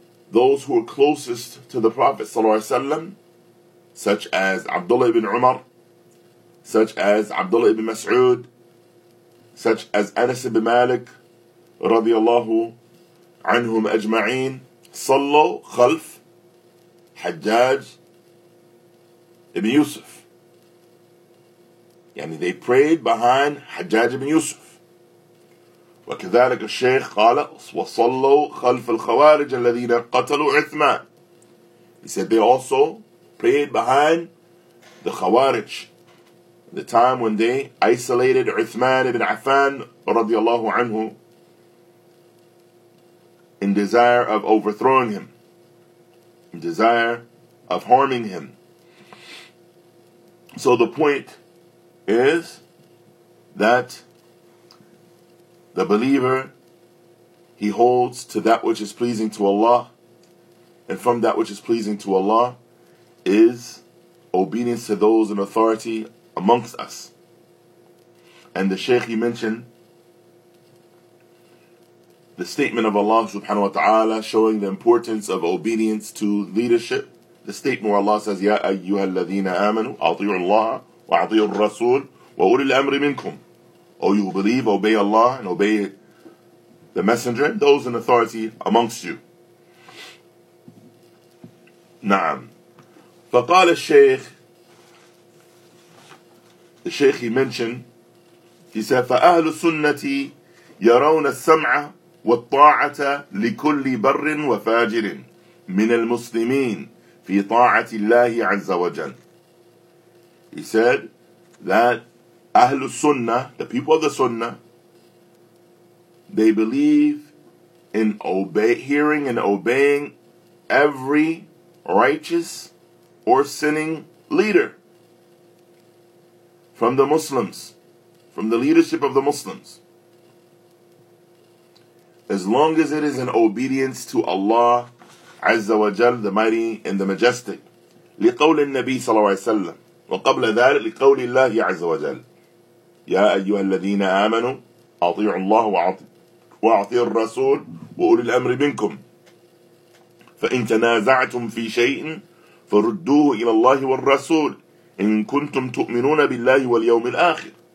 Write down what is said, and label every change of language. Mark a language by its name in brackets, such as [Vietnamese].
[English] those who are closest to the Prophet sallallahu alaihi wasallam, such as Abdullah ibn Umar, such as Abdullah ibn Mas'ud, such as Anas ibn Malik radiyallahu anhum ajma'in, [Arabic] sallu khalf [English] Hajjaj ibn Yusuf. Yani they prayed behind Hajjaj ibn Yusuf. [Arabic] وكذلك الشيخ قال وصلوا خلف الخوارج الذين قتلوا عثمان. [English] He said they also prayed behind the Khawarij, the time when they isolated Uthman ibn Affan radiallahu anhu in desire of overthrowing him, in desire of harming him. So the point is that the believer, he holds to that which is pleasing to Allah, and from that which is pleasing to Allah is obedience to those in authority amongst us. And the Shaykh, he mentioned the statement of Allah subhanahu wa ta'ala showing the importance of obedience to leadership. The statement where Allah says, [Arabic] يَا أَيُّهَا الَّذِينَ آمَنُوا أَطِيعُوا اللَّهَ وَأَطِيعُوا الرَّسُولَ وَأُولِي الْأَمْرِ مِنْكُمْ. [English] O you who believe, obey Allah and obey the Messenger and those in authority amongst you. [Arabic] نعم. فقال الشيخ, [English] the Shaykh he mentioned, he said, [Arabic] فَأَهْلُ السُنَّةِ يَرَوْنَ السَّمْعَ وَالطَّاعَةَ لِكُلِّ بَرٍّ وَفَاجِرٍ مِنَ الْمُسْلِمِينَ فِي طَاعَةِ اللَّهِ عَزَّ وَجَلٍ. [English] He said that أَهْلُ السُنَّةِ, the people of the Sunnah, they believe in hearing and obeying every righteous or sinning leader from the Muslims, from the leadership of the Muslims, as long as it is in obedience to Allah Azza wa Jal, the Mighty and the Majestic. لقول النبي صلى الله عليه وسلم وقبل ذلك لقول الله عز وجل يا أيها الذين آمنوا أطيعوا الله وأعطي الرسول وأولي الأمر منكم. فإن تنازعتم في شيء فردوه إلى الله والرسول إن كنتم تؤمنون بالله واليوم الآخر.